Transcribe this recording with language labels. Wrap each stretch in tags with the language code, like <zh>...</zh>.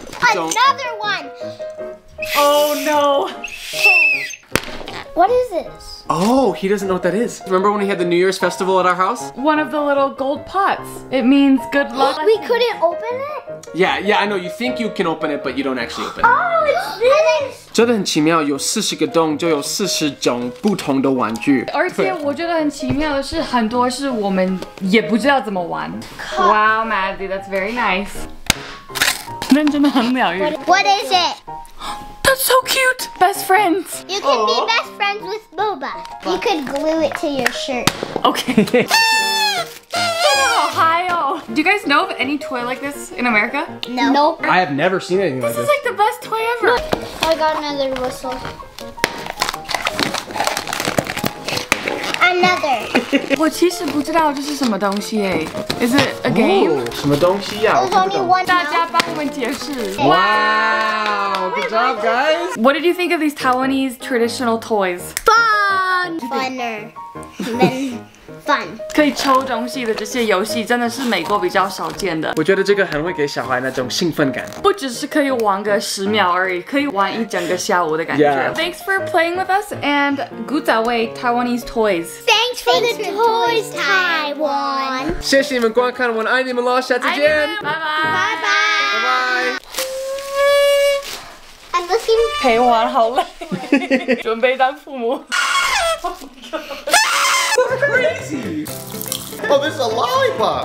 <en>Another one! Oh no! What is this? Oh, he doesn't know what that is. Remember when we had the New Year's festival at our house? One of the little gold pots. It means good luck. We couldn't open it? Yeah, I know. You think you can open it, but you don't actually open it. Oh, it's this!</en> <zh>真的很奇妙，有40个洞就有40种不同的玩具。而且我觉得很奇妙的是，很多是我们也不知道怎么玩。</zh> <en>Wow, Maddie, that's very nice.</en> <zh>那真的很疗愈。</zh> <en>What is it? That's so cute! Best friends! You can be best friends with Boba. You could glue it to your shirt. Okay. In Ohio! Do you guys know of any toy like this in America? No. Nope. I have never seen anything like this. This is like the best toy ever! I got another whistle. Another.</en> <zh>我其实不知道这是什么东西诶.</zh> <en>Is it a game?</en> <zh>什么东西呀?</zh> <en>There's only one.</en> <zh>大家帮我们解释.</zh> <en>Wow! Good job, guys. What did you think of these Taiwanese traditional toys? Fun. Funner. Fun.</en> <zh>可以抽东西的这些游戏真的是美国比较少见的。我觉得这个很会给小孩那种兴奋感。不只是可以玩个10秒而已，可以玩一整个下午的感觉。</zh> <en>Yeah. Thanks for playing with us and 古早味 Taiwanese toys. Thanks for the toys, Taiwan.</en> <zh>谢谢你们观看，我爱你们咯，下次见。拜拜。</zh> <en>I'm looking.</en> <zh>陪玩好累，准备当父母。</zh> <en>Crazy! Oh, this is a lollipop!</en>